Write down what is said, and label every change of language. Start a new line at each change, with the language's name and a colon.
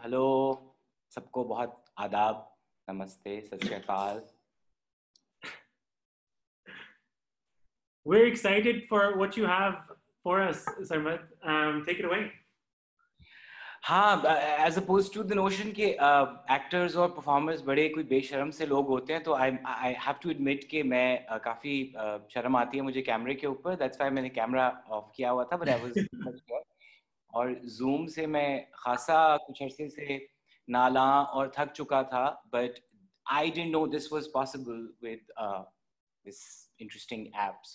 Hindi: Hello सबको, बहुत आदाब, नमस्ते, सत श्री अकाल।
English: We're excited for what you have for us, Sarmad. Take it away.
Hindi: हाँ,
English: as opposed to the notion
Hindi: के एक्टर्स और परफॉर्मर्स बड़े कोई बेशरम से लोग होते हैं, तो
English: I have to admit
Hindi: कि मैं काफी शर्म आती है मुझे कैमरे के ऊपर।
English: that's why
Hindi: मैंने कैमरा ऑफ किया हुआ था,
English: but I was
Hindi: और जूम से मैं खासा कुछ अरसे से नालां और थक चुका था,
English: But I didn't know this was possible with this interesting app.